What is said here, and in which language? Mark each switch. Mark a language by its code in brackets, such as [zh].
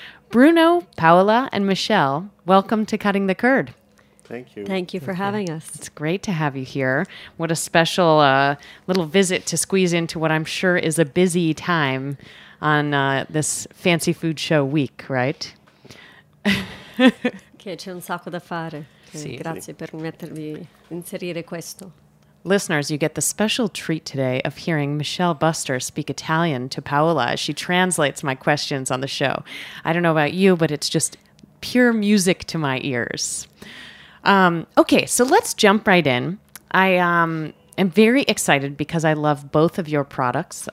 [en] Bruno, Paola, and Michelle, welcome to Cutting the Curd. Thank you. Thank you for having us. It's great to have you here. What a special little visit to squeeze into what I'm sure is a busy time on this fancy food show week, right? [it] Che c'è un sacco da fare. Grazie per mettermi inserire questo. [en] Listeners, you get the special treat today of hearing Michelle Buster speak Italian to Paola as she translates my questions on the show. I don't know about you, but it's just pure music to my ears. Okay, so let's jump right in. I'm very excited because I love both of your products.